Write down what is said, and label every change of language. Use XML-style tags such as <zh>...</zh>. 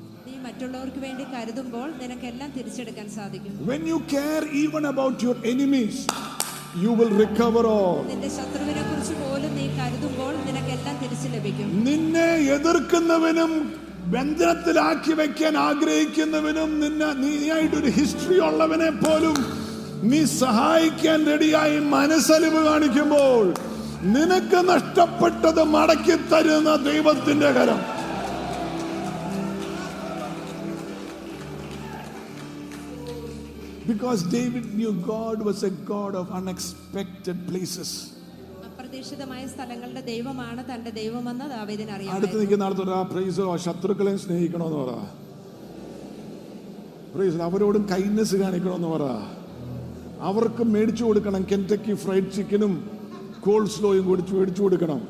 <ml>നീ മറ്റുള്ളവർക്ക് വേണ്ടി കരുതുമ്പോൾ നിനക്ക് എല്ലാം തിരിച്ചെടുക്കാൻ സാധിക്കും.</ml> <en>When you care even about your enemies, you will recover all.</en> <ml>നിന്റെ ശത്രുവിനെ കുറിച്ച് പോലും നീ കരുതുമ്പോൾ നിനക്ക് എല്ലാം തിരിച്ചു ലഭിക്കും. നിന്നെ എതിർക്കുന്നവനും ബന്ധനത്തിലാക്കി വെക്കാൻ ആഗ്രഹിക്കുന്നവനും നിന്നെ നീയായിട്ട് ഒരു ഹിസ്റ്ററി ഉള്ളവനെ പോലും നീ സഹായിക്കാൻ റെഡിയായി മനസ്സലിവ് കാണിക്കുമ്പോൾ നിനക്ക് നഷ്ടപ്പെട്ടത് മടക്കി തരുന്ന ദൈവത്തിന്റെ കരം.</ml> <en>Because David knew God was a God of unexpected places.</en> <ml>അപ്രതീക്ഷിതമായ സ്ഥലങ്ങളുടെ ദൈവമാണ് തന്റെ ദൈവമെന്ന് ദാവീദിന് അറിയാം. അടുത്ത് നിൽക്കുന്ന ആൾത്തോടാ പ്രൈസോ ശത്രുക്കളെ സ്നേഹിക്കണമെന്ന് പറ. പ്രൈസോ അവരോടും കൈൻഡ്നെസ് കാണിക്കണമെന്ന് പറ. അവർക്ക് മേടിച്ചു കൊടുക്കണം, കെൻടക്കി ഫ്രൈഡ് ചിക്കനും കോൾസ്ലോയും കൊടുത്ത് മേടിച്ചു കൊടുക്കണം.</ml>